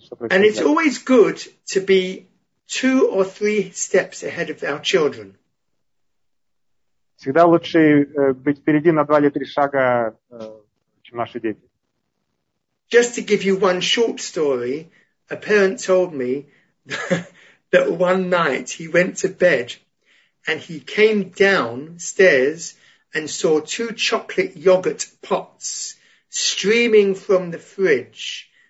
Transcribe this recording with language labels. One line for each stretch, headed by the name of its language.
English: And it's always good to be two or three steps ahead of our children.
Russian: Всегда лучше быть впереди на два или три шага, чем наши дети.
English: Just to give you one short story, a parent told me that one night he went to bed and he came downstairs and saw two chocolate yogurt pots streaming from the fridge.